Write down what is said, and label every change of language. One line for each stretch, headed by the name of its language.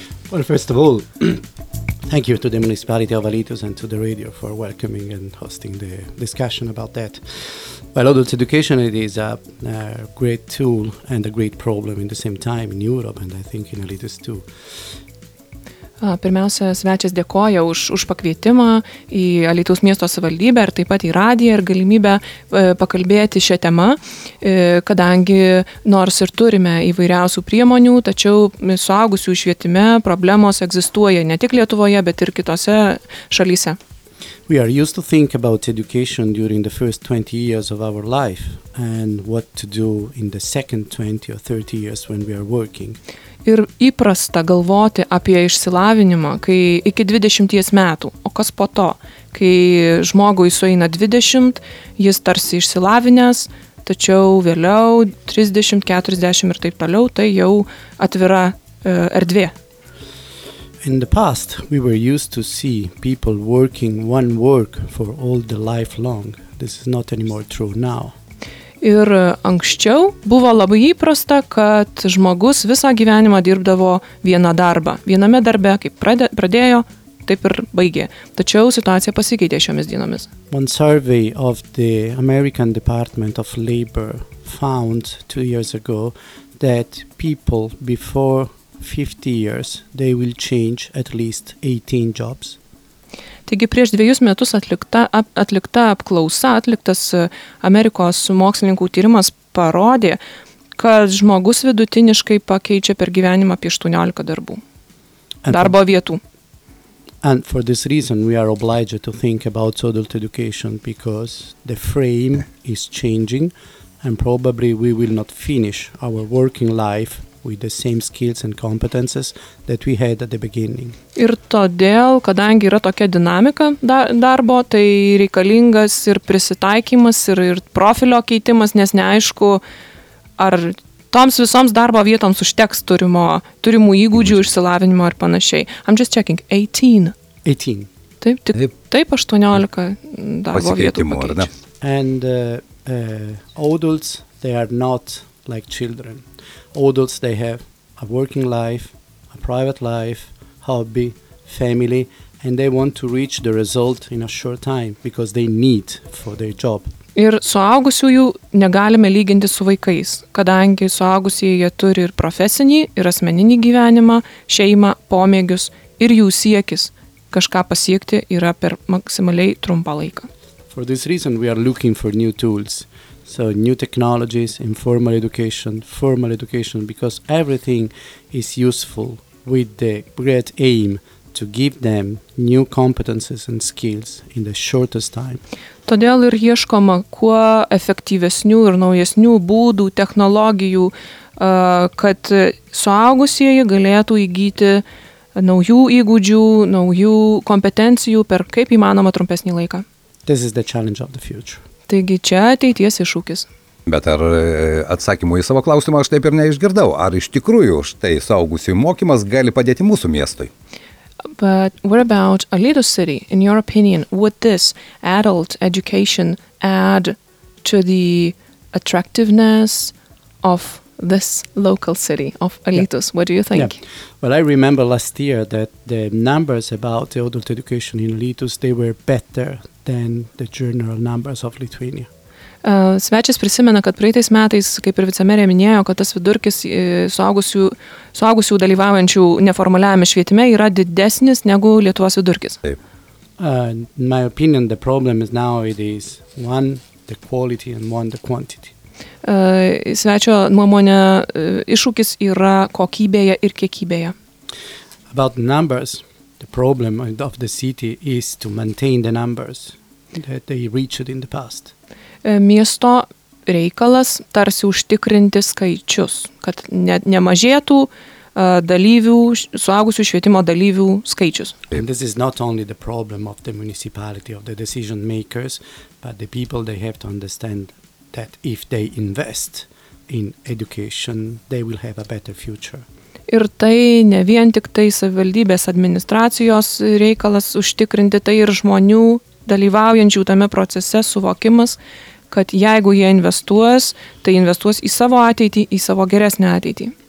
English: Well, first of all, thank you to the municipality of Alytaus and to the radio for welcoming and hosting the discussion about that. Well, adult education, it is a great tool and a great problem in the same time in Europe and I think in Alytaus too.
Lithuanian: Pirmiausia, svečias dėkoja už pakvietimą į Alytaus miesto savivaldybę ir taip pat į radiją ir galimybę pakalbėti šią temą, kadangi nors ir turime įvairiausių priemonių, tačiau suaugusių švietime problemos egzistuoja ne tik Lietuvoje, bet ir kitose šalyse.
English: We are used to think about education during the first 20 years of our life and what to do in the second 20 or 30 years when we are working.
Lithuanian: Ir įprasta galvoti apie išsilavinimą, kai iki 20 metų, o kas po to, kai žmogui sueina 20, jis tarsi išsilavinęs, tačiau vėliau 30, 40 ir taip toliau, tai jau atvira erdvė.
English: In the past, we were used to see people working one work for all the life long. This is not anymore true now.
Lithuanian: Ir anksčiau buvo labai įprasta, kad žmogus visą gyvenimą dirbdavo vieną darbą. Viename darbe, kaip pradėjo, taip ir baigė. Tačiau situacija pasikeitė šiomis dienomis.
English: One survey of the American Department of Labor found 2 years ago that people before 50 years, they will change at least 18 jobs.
Lithuanian: Taigi prieš 2 metus atlikta apklausa, atliktas Amerikos mokslininkų tyrimas parodė, kad žmogus vidutiniškai pakeičia per gyvenimą apie 18 darbų, darbo vietų.
English: And for this reason we are obliged to think about adult education because the frame is changing and probably we will not finish our working life with the same skills and competences that we had at the beginning.
Lithuanian: Ir todėl, kadangi yra tokia dinamika darbo, tai reikalingas ir prisitaikymas ir profilio keitimas, nes neaišku, ar toms visoms darbo vietoms užteks turimų įgūdžių, išsilavinimo ir panašiai.
English: I'm just checking, 18. 18.
Lithuanian: Taip, tik, taip 18 darbo vietų pakeičia.
English: And adults, they are not like children. Adults, they have a working life, a private life, hobby, family, and they want to reach the result in a short time because they need for their job.
Lithuanian: Ir suaugusiųjų negalime lyginti su vaikais, kadangi suaugusieji jie turi ir profesinį, ir asmeninį gyvenimą, šeimą, pomėgius, ir jų siekis kažką pasiekti yra per maksimaliai trumpą laiką.
English: For this reason, we are looking for new tools. So new technologies, informal education, formal education, because everything is useful with the great aim to give them new competences and skills in the shortest time.
Lithuanian: Todėl ir ieškoma kuo efektyvesnių ir naujesnių būdų, technologijų, kad suaugusieji galėtų įgyti naujų įgūdžių, naujų kompetencijų per kaip įmanoma trumpesnį laiką.
English: This is the challenge of the future.
Lithuanian: Taigi čia ateities iššūkis. Bet ar atsakymų į savo klausimą aš taip ir neišgirdau? Ar iš tikrųjų štai suaugusiųjų mokymas gali padėti mūsų miestui?
English: But what about Alito City? In your opinion, would this adult education add to the attractiveness of this local city of Alitos? Yeah. What do you think? Yeah. Well, I remember last year that the numbers about the adult education in Alitos, they were better than the general numbers of Lithuania.
Lithuanian: Svečias prisimena, kad praeitais metais, kaip ir vicemerė minėjo, kad tas vidurkis suaugusių dalyvaujančių neformaliajame švietime yra didesnis negu Lietuvos vidurkis. Taip.
English: In my opinion, the problem is now it is one, the quality and one, the quantity.
Lithuanian: Svečio nuomonė, iššūkis yra kokybėje ir kiekybėje.
English: About numbers, the problem of the city is to maintain the numbers that they reached in the past.
Lithuanian: Miesto reikalas tarsi užtikrinti skaičius, kad nemažėtų dalyvių, suaugusių švietimo dalyvių skaičius.
English: And this is not only the problem of the municipality, of the decision makers, but the people, they have to understand that if they invest in education, they will have a better future.
Lithuanian: Ir tai ne vien tik tai savivaldybės administracijos reikalas užtikrinti, tai ir žmonių dalyvaujančių tame procese suvokimas, kad jeigu jie investuos, tai investuos į savo ateitį, į savo geresnę ateitį.